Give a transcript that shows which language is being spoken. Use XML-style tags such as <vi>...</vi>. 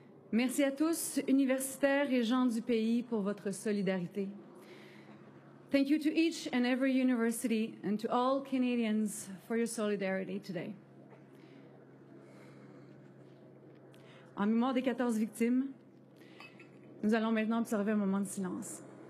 <fr>Merci à tous, universitaires et gens du pays, pour votre solidarité.</fr> <en>Thank you to each and every university and to all Canadians for your solidarity today.</en> <fr>En mémoire des 14 victimes, nous allons maintenant observer un moment de silence.</fr>